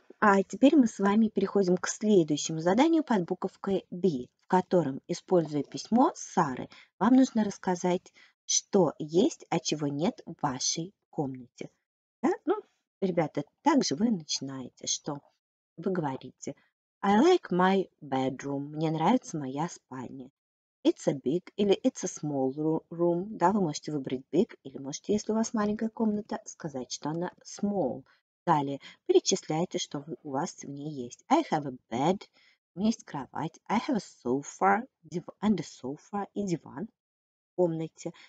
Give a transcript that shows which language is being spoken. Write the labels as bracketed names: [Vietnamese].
[Russian] А теперь мы с вами переходим к следующему заданию под буковкой B, в котором, используя письмо Сары, вам нужно рассказать, что есть, а чего нет в вашей комнате. Да? Ну, ребята, также вы начинаете, что вы говорите. [English] I like my bedroom. [Russian] Мне нравится моя спальня. [English] It's a big или it's a small room. [Russian] Да, вы можете выбрать big или можете, если у вас маленькая комната, сказать, что она small. Далее, перечисляйте, что у вас в ней есть. [English] I have a bed. [Russian] У меня есть кровать. [English] I have a sofa, and a sofa [Russian] и диван в комнате.